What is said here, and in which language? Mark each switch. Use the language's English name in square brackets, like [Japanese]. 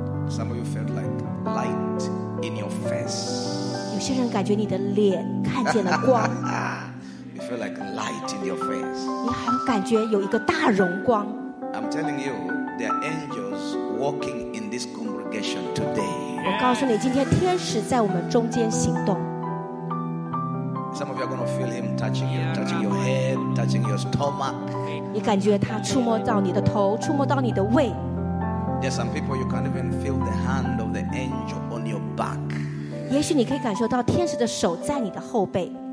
[English] Some of you felt like light in your face. [Chinese] 有些人感觉你的脸看见了光。 [English] You feel like light in your face. [Chinese] 你好像感觉有一个大荣光。 [English] I'm telling you, there are angels walking in this congregation today. [Chinese] 我告诉你，今天天使在我们中间行动。 [English] Some of you are going to feel him touching your head, touching your stomach. [Chinese] 你感觉他触摸到你的头，触摸到你的胃。 [English] There are some people you can't even feel the hand of the angel on your back. [Chinese] 也许你可以感受到天使的手在你的后背。